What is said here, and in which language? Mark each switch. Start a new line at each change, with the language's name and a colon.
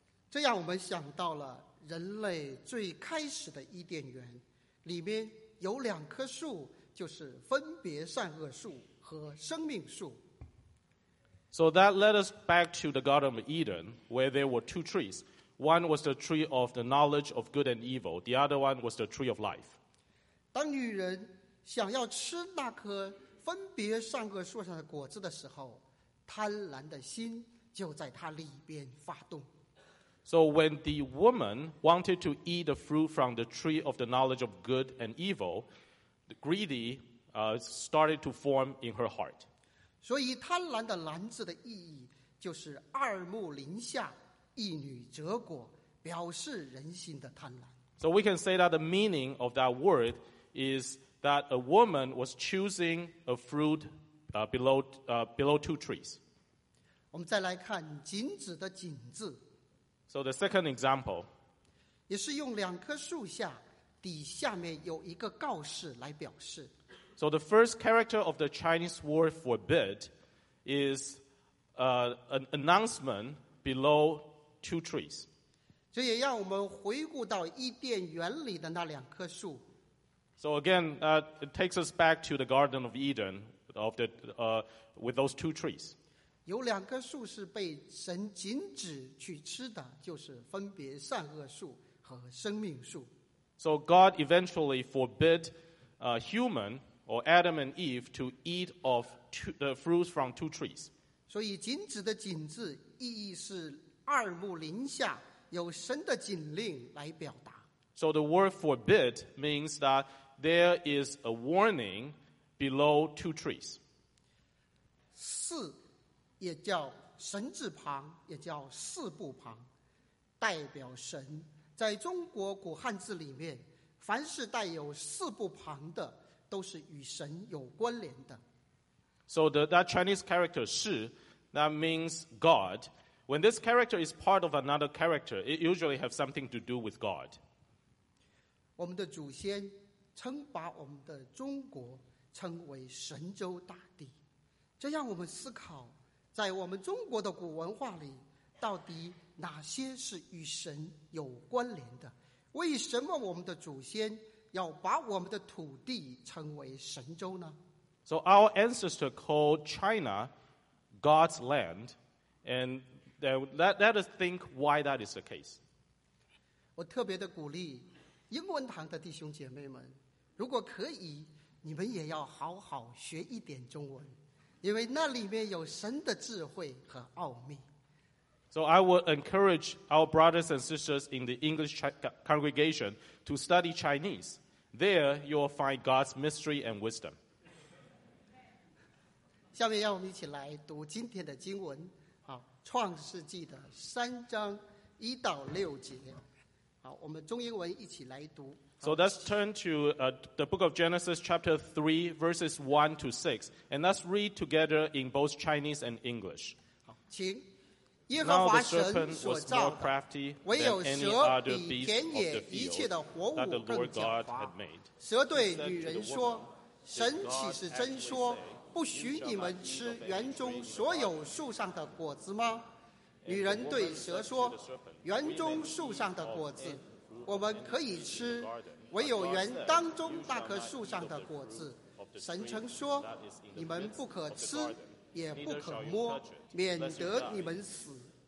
Chinese: 这样我们想到了人类最开始的伊甸园，里面有两棵树，就是分别善恶树和生命树。
English: So that led us back to the Garden of Eden, where there were two trees. One was the tree of the knowledge of good and evil. The other one was the tree of life.
Chinese: 当女人想要吃那棵分别善恶树上的果子的时候，贪婪的心就在她里边发动。
English: So when the woman wanted to eat the fruit from the tree of the knowledge of good and evil, the greedy started to form in her heart.
Chinese: 所以贪婪的婪字的意义就是二目临下，一女折果，表示人心的贪婪。
English: So we can say that the meaning of that word is that a woman was choosing a fruit below two trees.
Chinese: 我们再来看禁止的禁字。
English: So the second example,
Chinese: 也是用两棵树下底下面有一个告示来表示。
English: So the first character of the Chinese word forbid is an announcement below two trees.
Chinese: 这也让我们回顾到伊甸园里的那两棵树。
English: So again, it takes us back to the Garden of Eden of the with those two trees.
Chinese: 有两棵树是被神禁止去吃的，就是分别善恶树和生命树。
English: So God eventually forbid a human or Adam and Eve to eat of the fruits from two trees.
Chinese: 所以禁止的禁字意义是二目临下，有神的禁令来表达。 So the word forbid means that there is a warning below two trees. 四也叫神字旁，也叫四部旁，代表神。在中国古汉字里面，凡是带有四部旁的都是与神有关联的。
English: So that Chinese character 四 that means God. When this character is part of another character, it usually has something to do with God.
Chinese: 我们的祖先曾把我们的中国称为神州大地，这让我们思考在我们中国的古文化里，到底哪些是与神有关联的？为什么我们的祖先要把我们的土地称为神州呢？
English: So our ancestor called China God's land, and let us think why that is the case.
Chinese: 我特别的鼓励英文堂的弟兄姐妹们，如果可以，你们也要好好学一点中文。因为那里面有神的智慧和奥秘。
English: So I would encourage our brothers and sisters in the English congregation to study Chinese. There you will find God's mystery and wisdom.
Chinese: 下面让我们一起来读今天的经文，好，创世纪的三章一到六节。好，我们中英文一起来读。
English: So let's turn to the book of Genesis chapter 3 verses 1 to 6 and let's read together in both Chinese and English.
Chinese: 好，请。
English: Now the serpent was more crafty than any other beast of the field that the Lord God had made.
Chinese: 蛇对女人说，神岂是真说，不许你们吃园中所有树上的果子吗？女人对蛇说，园中树上的果子我们可以吃，唯有园当中那棵树上的果子，神曾说，你们不可吃，也不可摸，免得你们死。